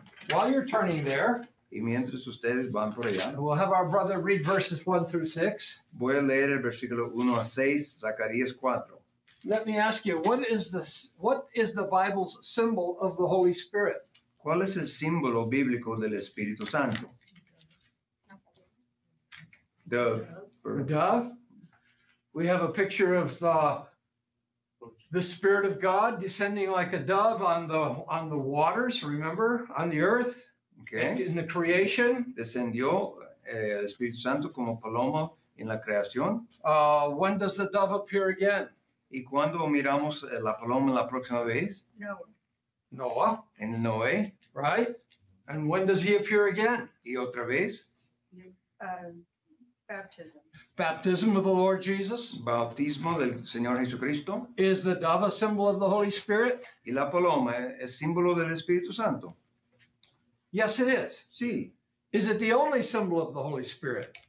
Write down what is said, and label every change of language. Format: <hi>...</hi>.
<en>While you're turning there.</en> <es>Y mientras ustedes van por allá.</es> <en>We'll have our brother read verses 1 through 6.</en> <es>Voy a leer el versículo 1 a 6, Zacarías 4.</es> <en>Let me ask you, what is the Bible's symbol of the Holy Spirit?</en> <es>¿Cuál es el símbolo bíblico del Espíritu Santo?</es> <en>The dove. We have a picture of the Spirit of God descending like a dove on the waters, remember, on the earth. Okay. In the creation.</en> <es>Descendió el Espíritu Santo como paloma en la creación.</es> <en>When does the dove appear again?</en> <es>¿Y cuándo miramos la paloma la próxima vez?</es> <en>Noah.</en> <es>En Noé.</es> <en>Right? And when does he appear again?</en> <es>¿Y otra vez?</es> <en>Baptism. Baptism of the Lord Jesus.</en> <es>Bautismo del Señor Jesucristo.</es> <en>Is the dove a symbol of the Holy Spirit?</en> <es>¿Y la paloma es símbolo del Espíritu Santo?</es> <en>Yes, it is.</en> <es>Sí.</es> <en>Is it the only symbol of the Holy Spirit?</en>